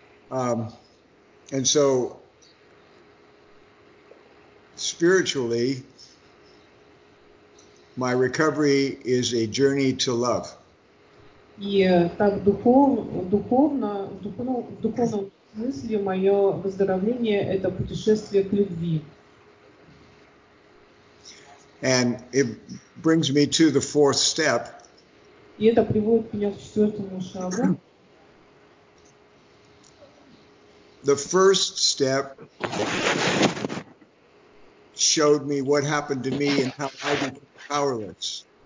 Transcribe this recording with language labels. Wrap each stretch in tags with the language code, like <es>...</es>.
<en>And so, spiritually, my recovery is a journey to love.</en> <ru>И так в духовном смысле мое выздоровление – это путешествие к любви.</ru> <en>And it brings me to the fourth step.</en> <ru>И это приводит меня к четвертому шагу.</ru> <en>The first step showed me what happened to me and how I became powerless.</en>